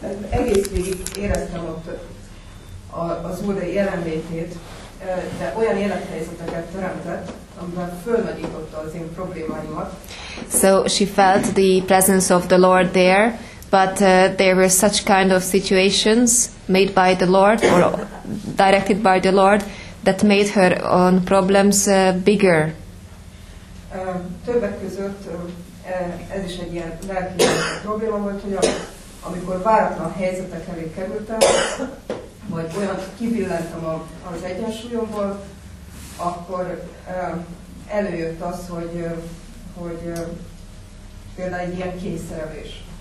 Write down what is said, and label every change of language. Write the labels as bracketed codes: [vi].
[hu] Egész végig éreztem ott az Úr jelenlétét, de olyan élethelyzeteket teremtett, amiben fölnagyította az én problémáimat. [en] So she felt the presence of the Lord there, but there were such kind of situations made by the Lord or directed by the Lord that made her own problems bigger. [hu] Többek között ez is egy ilyen lelki probléma volt, hogy amikor váratlan helyzetek elé kerültem, vagy olyan kibillentem az egyensúlyomból, akkor előjött az, hogy például egy ilyen kényszerelés.